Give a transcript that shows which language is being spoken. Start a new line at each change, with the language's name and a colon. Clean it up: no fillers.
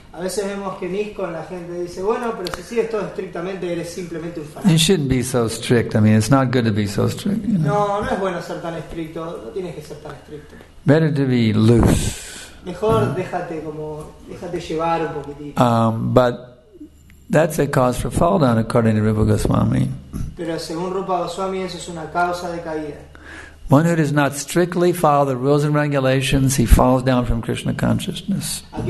English: You shouldn't be so strict. I mean, it's not good to be so strict. You know?
Spanish: No, no es bueno ser tan estricto. No tienes que ser tan estricto.
English: Better to be loose.
Spanish: Mejor déjate como, déjate llevar un poquitito.
English: But that's a cause for fall down, according to Rupa Goswami.
Spanish: Pero según Rupa Goswami, eso es una causa de caída.
English: One who does not strictly follow the rules and regulations, he falls down from Krishna consciousness.